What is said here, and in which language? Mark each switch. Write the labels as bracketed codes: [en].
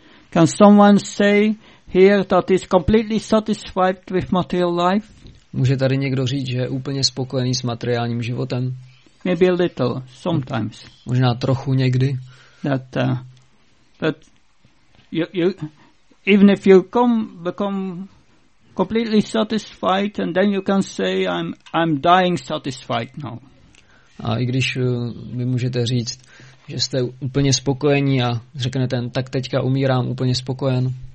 [en] Can someone say here that is completely satisfied with material life? [cs] Může tady někdo říct, že je úplně spokojený s materiálním životem? [en] Maybe a little, sometimes. [cs] Možná trochu někdy. [en] That, but you even if you become completely satisfied and then you can say I'm dying satisfied now. [cs] A i když vy můžete říct, že jste úplně spokojení a řeknete, tak teďka umírám úplně spokojen.